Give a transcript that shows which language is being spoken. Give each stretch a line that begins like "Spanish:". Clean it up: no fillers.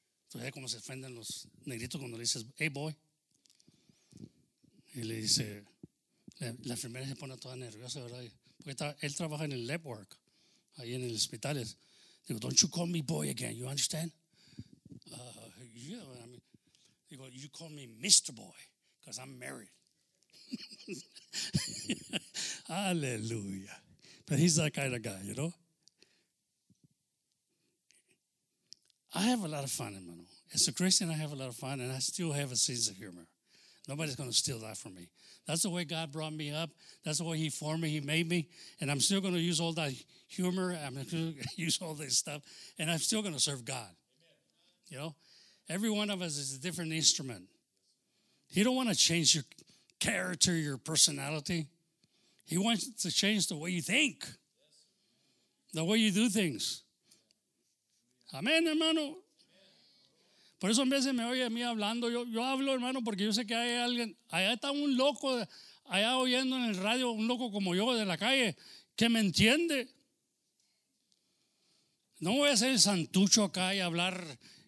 Spanish: Entonces, ¿cómo se ofenden los negritos cuando le dices,
English: hey, boy?
Spanish: Y le dice, la enfermera se pone toda nerviosa, ¿verdad? Porque él trabaja en el lab work, ahí en el hospital.
English: Digo, don't you call me boy again, you understand? Yeah, I mean. He goes, you call me Mr. Boy because I'm married. Hallelujah. But he's that kind of guy, you know? I have a lot of fun, Emmanuel. As a Christian, I have a lot of fun, and I still have a sense of humor. Nobody's going to steal that from me. That's the way God brought me up. That's the way he formed me. He made me. And I'm still going to use all that humor. I'm going to use all this stuff. And I'm still going to serve God, you know? Every one of us is a different instrument. He don't want to change your character, your personality. He wants to change the way you think, the way you do things.
Spanish: Amén, hermano. Por eso en vez de me oye a mí hablando, yo hablo, hermano, porque yo sé que hay alguien, allá está un loco, allá oyendo en el radio, un loco como yo de la calle, que me entiende. No voy a ser el santucho acá y hablar.